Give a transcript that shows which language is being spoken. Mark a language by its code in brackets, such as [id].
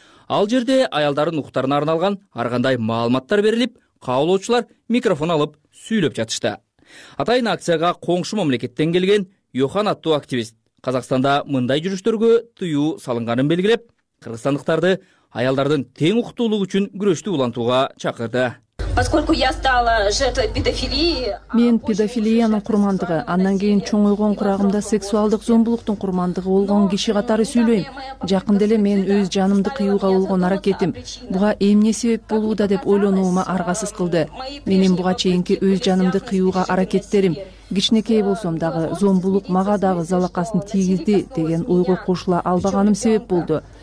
[ky] Ал жерде аялдардын укуктарына арналган ар кандай маалыматтар берилип, каалоочулар микрофон алып сүйлөп жатышты. Атайын акцияга коңшу мамлекеттен келген Йохан аттуу активист Казакстанда мындай жүрүштөргө тыюу салынганын белгилеп, кыргызстандыктарды аялдардын тең укуктуулугу үчүн күрөштү улантууга чакырды. [ru] Поскольку я стала жертвой педофилии. [ky] Мен педофилиянын курмандыгы, андан кийин чоңойгон курагымда сексуалдык зомбулуктун курмандыгы болгон киши катары сүйлөйм. Жакын деле мен өз жанымды кыюуга болгон аракетим буга эмне себеп болууда деп ойлонууму аргасыз кылды. Менин буга чейинки өз жанымды кыюуга аракеттерим кичинекей болсом дагы зомбулук мага дагы залакасын тийгизди деген ойго кошула албаганым себеп болду.